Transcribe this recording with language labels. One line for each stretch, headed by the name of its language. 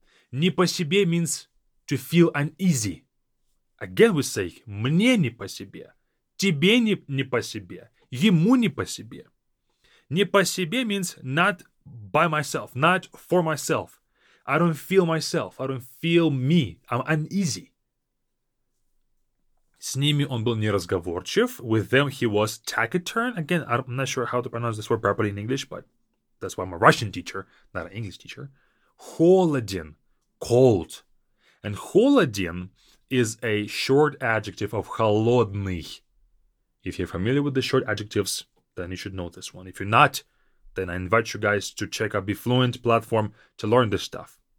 Russian: Не по себе
English: means to feel uneasy. Again, we say,
Russian: мне не по себе, тебе не по себе, ему не по себе. Не по себе
English: means not by myself, not for myself. I don't feel myself, I don't feel me, I'm uneasy.
Russian: С ними он был неразговорчив.
English: With them, he was taciturn. Again, I'm not sure how to pronounce this word properly in English, but that's why I'm a Russian teacher, not an English teacher. Холоден, cold. And холоден is a short adjective of холодный. If you're familiar with the short adjectives, then you should know this one. If you're not, then I invite you guys to check out BeFluent platform to learn this stuff.